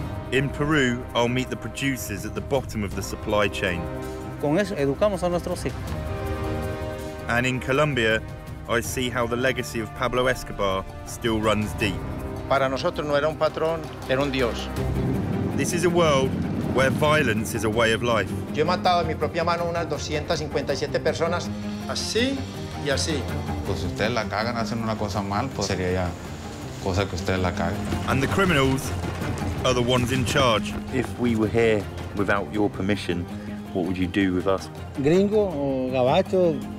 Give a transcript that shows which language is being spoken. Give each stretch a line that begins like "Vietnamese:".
English: In Peru, I'll meet the producers at the bottom of the supply chain. And in Colombia, I see how the legacy of Pablo Escobar still runs deep.
Spanish: Para nosotros no era un patrón, era un dios. This is a world where violence is a way of life. Yo he matado a mi propia mano unas 257 personas, así y así. Pues si ustedes la cagan haciendo una cosa mal, pues sería ya cosa que ustedes la cagan.
English: And the criminals are the ones in charge. If we were here without your permission, what would you do with us?
Spanish: Gringo o gabacho.